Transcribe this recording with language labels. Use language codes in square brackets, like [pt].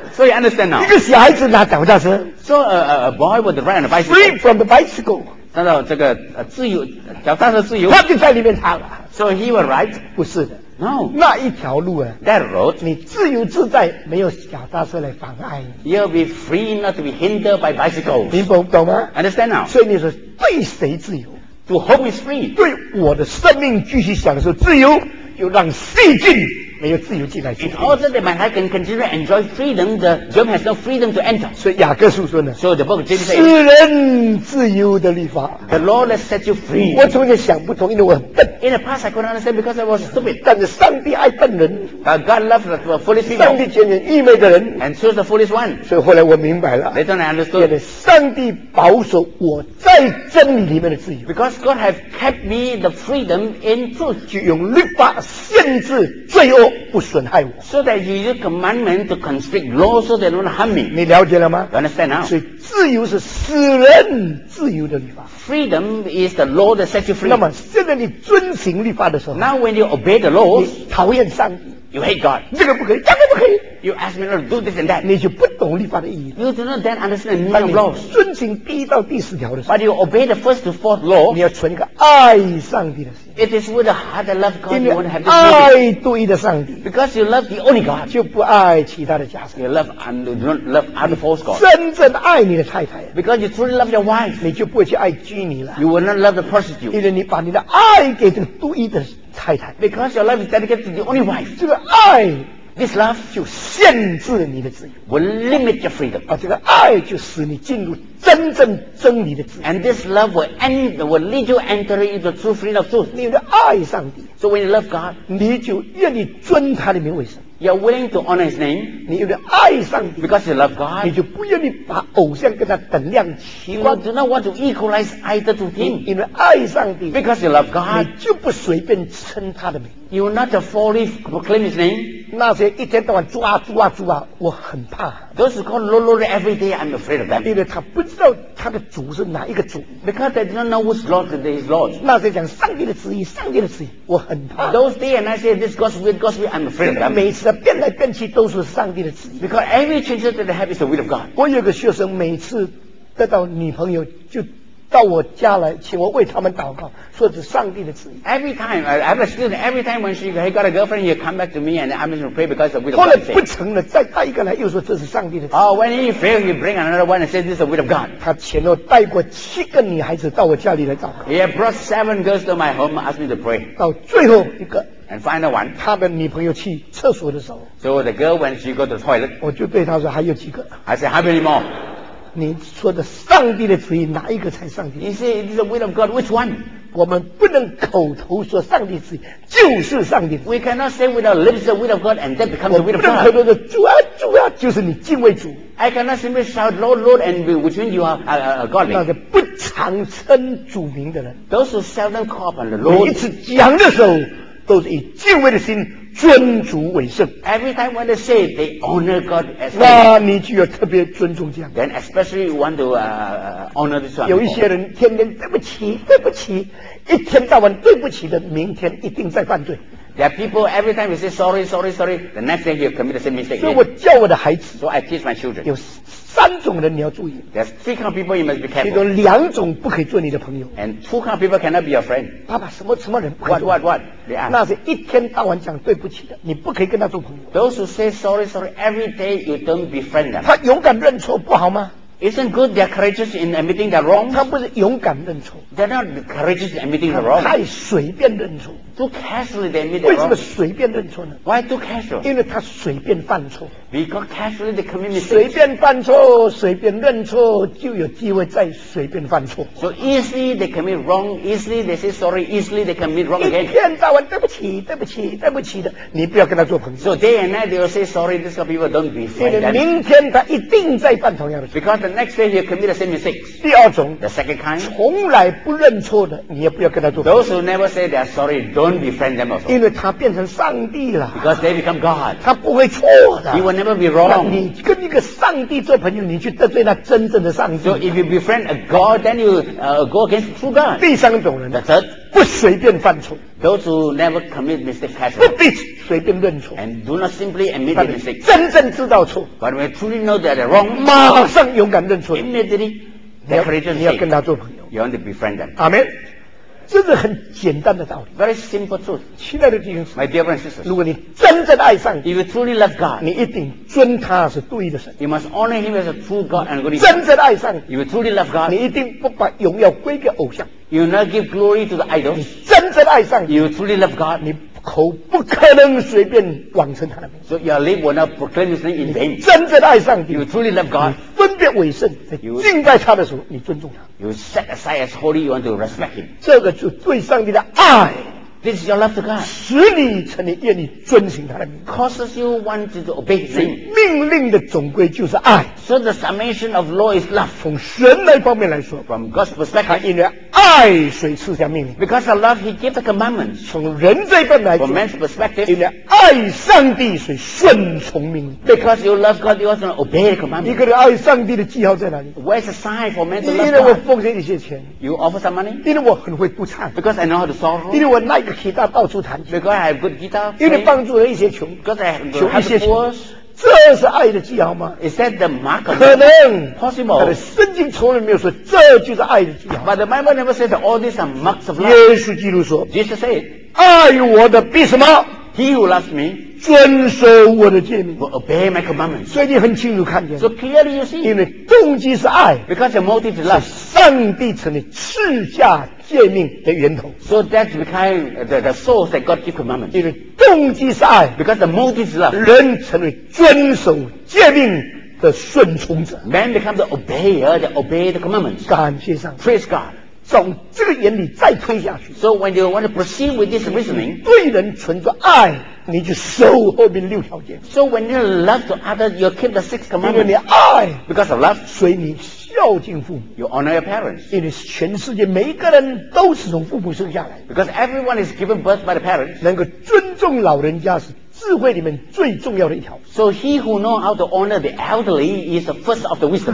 [zh] 所以 [en] understand now. [zh] 一个小孩子拿脚踏车。 [en] So a boy would ride a bicycle. Free from the bicycle. [zh] 看到这个自由，脚踏车自由。他就在里面踏了。 [en] So he would ride. [zh] 不是的。 [en] No, [zh] 那一条路啊 [en] that road, [zh] 你自由自在没有脚踏车来妨碍你 [en] You'll be free not to be hindered by bicycles [zh] 你懂懂吗 [en] Understand now [zh] 所以你说对谁自由 [en] To whom is free [zh] 对我的生命继续享受自由又让细菌没有自由进来 [en] In order that my heart can continue to enjoy freedom The germ has no freedom to enter [zh] 所以雅各书说呢 [en] So the book of James says [zh] 使人自由的律法 [en] The law that sets you free [zh] 我从前想不通因为我很笨 [en] In the past, I couldn't understand because I was stupid. [zh] 但是上帝爱笨人。 [en] But God loves the foolish people. [zh] 上帝拣选愚昧的人。 [en] And chose the foolish one. [zh] 所以后来我明白了。 [en] Later I understood. [zh] 也得上帝保守我在真理里面的自由。 [en] Because God has kept me the freedom in truth. [zh] 就用律法限制罪恶不损害我。 [en] So that you use commandment to constrict law so they don't harm me. [zh] 你了解了吗？ [en] You understand now? [zh] 所以自由是使人自由的律法。 [en] Freedom is the law that sets you free. [zh] 那么现在你遵行律法的时候 [en] Now when you obey the laws, [zh] 你讨厌上帝 [en] You hate God. [zh] 这个不可以，那个不可以 [en] You ask me not to do this and that. [zh] 你就不懂律法的意义 [en] You do not then understand the meaning of laws. [zh] 遵行第一到第四条的时候 [en] But you obey the first to fourth law. [zh] 你要存一个爱上帝的心 [en] It is with a heart that loves God. [zh] 因为 [en] you have [zh] 爱独一的上帝 [en] Because you love the only God. [zh] 就不爱其他的家神 [en] You love and do not love other false God. [zh] 真正爱你的太太 [en] Because you truly love your wife. [zh] 你就不会去爱妓女了 [en] You will not love the prostitute. [zh] 因为你把你的爱给这个独一的太太 [en] Because your love is dedicated to the only wife. [zh] 这个爱 [en] This love [zh] 就限制你的自由 [en] Will limit your freedom. [zh] 这个爱就使你进入真正真理的自由 [en] And this love will lead you entering into the true freedom of truth. [zh] 你的爱上帝 [en] So when you love God [zh] 你就愿意尊他的名为神 [en] You're willing to honor his name. [zh] 你有点爱上帝 [en] Because you love God [zh] 你就不愿意把偶像跟他等量齐 [en] You do not want to equalize either to him. [zh] 因为爱上帝 [en] Because you love God [zh] 你就不随便称他的名 [en] You will not falsely proclaim his name. [zh] 那些一天到晚抓住啊住啊我很怕 [en] Those who call Lord every day I'm afraid of them. [zh] 因为他不知道他的主是哪一个主 [en] Because they do not know whose Lord today is Lord. [zh] 那些讲上帝的旨意上帝的旨意我很怕 [en] Those day and I say this God's will God's will I'm afraid of them. [zh] 每次变来变去都是上帝的旨意 [en] Because every change that they have is the will of God. [zh] 我有个学生每次得到女朋友就到我家来请我为他们祷告说是上帝的旨意 [en] Every time I have a student Every time when she got a girlfriend He come back to me And I'm going to pray Because of the will of God [zh] 后来不成了再带一个来又说这是上帝的旨意 [en] Oh when he fail He bring another one And say this is the will of God [zh] 他前后带过七个女孩子到我家里来祷告 [en] He brought seven girls to my home Asked me to pray [zh] 到最后一个 [en] And finally one. [zh] 他的女朋友去厕所的时候。 [en] So the girl when she go to the toilet. [zh] 我就对他说还有几个。 [en] I say how many more? [zh] 你说的上帝的旨意哪一个才上帝？ [en] He say it is the will of God. Which one? [zh] 我们不能口头说上帝旨意就是上帝。 [en] We cannot say with our lips the will of God and that becomes the will of God. [zh] 我不能口头说主啊主啊就是你敬畏主。 [en] I cannot simply shout Lord Lord and which one you are godly. [zh] 那个不常称主名的人。 [en] Those who seldom call upon the Lord. [zh] 每一次讲的时候。都是以敬畏的心尊主为圣。 [en] Every time when they say they honor God as. [zh] 那你就要特别尊重这样。 [en] Then especially you want to honor this one. [zh] 有一些人天天对不起，对不起，一天到晚对不起的，明天一定在犯罪。 [en] There are people every time you say sorry, sorry, sorry, the next day you commit the same mistake. [zh] 所以我教我的孩子。 [en] So I teach my children. [zh] 有三种人你要注意。 [en] There's three kind of people you must be careful. [zh] 其中两种不可以做你的朋友。 [en] And two kind of people cannot be your friend. [zh] 爸爸，什么人不可以做 [en] ？What? They are. [zh] 那是一天到晚讲对不起的，你不可以跟他做朋友。 [en] Those who say sorry, sorry every day, you don't befriend them. [zh] 他勇敢认错不好吗 [en] ？Isn't good they are courageous in admitting their wrong? [zh] 他不是勇敢认错。 [en] They're not courageous in admitting their wrong. [zh] 太随便认错。 [en] Too casually they admit their wrong. [zh] 为什么随便认错呢 [en] ？Why too casual? [zh] 因为他随便犯错。 [en] Because casually they commit mistakes. [zh] 随便犯错，随便认错，就有机会再随便犯错。 [en] So easily they commit wrong. Easily they say sorry. Easily they commit wrong again. [zh] 一天到晚对不起，对不起，对不起的，你不要跟他做朋友。 [en] So day and night they will say sorry. These kind of people don't be friends. [zh] 因为明天他一定再犯同样的错。 [en] Because the next day he'll commit the same mistakes. [zh] 第二种 [en] ，the second kind， [zh] 从来不认错的，你也不要跟他做朋友。 [en] Those who never say they are sorry don't befriend them also. [zh] 因为他变成上帝了。 [en] Because they become God. [zh] 他不会错的。 [en] He will never be wrong. [zh] 你跟一个上帝做朋友，你去得罪那真正的上帝。 [en] So if you befriend a God, then you go against true God. [zh] 第三种人 [en] ，the third， [zh] 不随便犯错。 [en] Those who never commit mistakes casually. [zh] 不必随便认错。 [en] And do not simply admit the mistake. [zh] 真正知道错。 [en] But when truly know that they're wrong, [zh] 马上勇敢认错。 [en] Immediately. [zh] 你要跟他做朋友。 [en] You want to befriend them. [zh] Amen. 这是很简单的道理 [en] ，very simple truth。 [zh] 亲爱的弟兄姊妹 [en] ，my dear brothers and sisters， [zh] 如果你真正爱上帝 [en] ，if you truly love God， [zh] 你一定尊他是对的神 [en] ，you must honor him as a true God and good。 [zh] 真正爱上帝 [en] ，if you truly love God， [zh] 你一定不把荣耀归给偶像 [en] ，you not give glory to the idols。 [zh] 你真正爱上帝 [en] ，you truly love God， [zh] 你口不可能随便妄称他的名。 [en] So your lips will not proclaim his name in vain。 [zh] 真正爱上帝 [en] ，you truly love God。 [zh] 分别为圣，敬拜他的时候，你尊重他。 [en] You set aside as holy, you want to respect him. [zh] 这个就对上帝的爱。 [en] This is your love to God. [zh] 使你成为愿意遵行他的命。 [en] Causes you want to obey his name. [zh] 命令的总归就是爱。 [en] So the summation of law is love. [zh] 从神来方面来说 [en] ，from God's perspective, [zh] 他因为爱，所以赐下命令。 [en] Because of love, he gave the commandments. [zh] 从人这一方面来说 [en] ，from man's perspective, [zh] 因为爱上帝，所以顺从命令。 [en] Because you love God, you want to obey the commandments. [zh] 一个人爱上帝的记号在哪里 [en] ？Where's the sign for man to love God? [zh] 因为我奉献一些钱 [en] ，you offer some money. [zh] 因为我很会不唱 [en] ，because I know how to sorrow. [zh] 因为我那个。吉他到处弹去 [en] Because I have good guitar, [zh] 因为帮助了一些穷 [en] Because I have good [zh] 穷一些穷 [en] poor, [zh] 这是爱的记号吗 [en] Is that the mark of [zh] 可能 [en] Possible [zh] 但是圣经从来没有说这就是爱的记号 [en] But the Bible never said all these are marks of love [zh] 耶稣基督说 [en] Jesus said [zh] 爱我的必什么 [en] He who loves me [zh] 遵守我的诫命 [en] Will obey my commandments [zh] 所以你很清楚看见 [en] So clearly you see [zh] 因为动机是爱 [en] Because your motive is love [zh] 是上帝成了赐下诫命的源头 [en] ，so that became the source that God gave commandments. [zh] 因为动机是爱 [en] ，because the motive is love. [zh] 人成为遵守诫命的顺从者 [en] ，man becomes the obeyer that obey the commandments. [zh] 感谢上帝 [en] ，praise God. [zh] 从这个原理再推下去 [en] ，so when you want to proceed with this reasoning, [zh] 对人存着爱。你就守后面六条诫。 [en] So when you love to others, you keep the six commandments. [zh] 因为你爱 [en] ，because of love， [zh] 所以你孝敬父母。 [en] You honor your parents. [zh] 因为全世界每一个人都是从父母生下来。 [en] Because everyone is given birth by the parents. [zh] 能够尊重老人家是智慧里面最重要的一条。 [en] So he who know how to honor the elderly is the first of the wisdom.